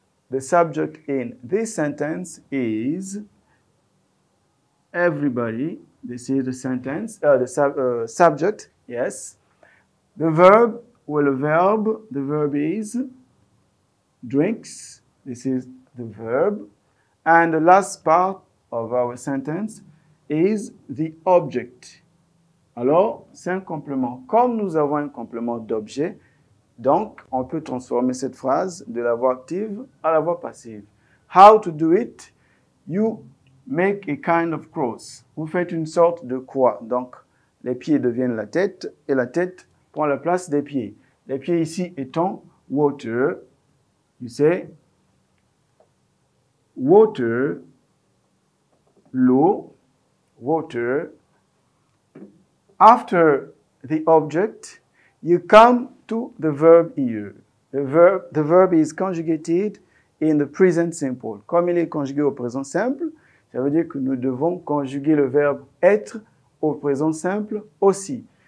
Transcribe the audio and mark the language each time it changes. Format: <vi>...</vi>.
<en>The subject in this sentence is everybody. This is the sentence, the subject Yes. The verb is drinks. This is the verb. And the last part of our sentence is the object.</en> <fr>Alors, c'est un complément. Comme nous avons un complément d'objet, donc on peut transformer cette phrase de la voix active à la voix passive.</fr> <en>How to do it? You make a kind of cross.</en> <fr>Vous faites une sorte de croix. Donc, les pieds deviennent la tête et la tête prend la place des pieds. Les pieds ici étant water.</fr> <en>You say water,</en> <fr>l'eau, water.</fr> <en>After the object, you come to the verb here. The verb is conjugated in the present simple.</en> <fr>Comme il est conjugué au présent simple, ça veut dire que nous devons conjuguer le verbe être au présent simple aussi.</fr>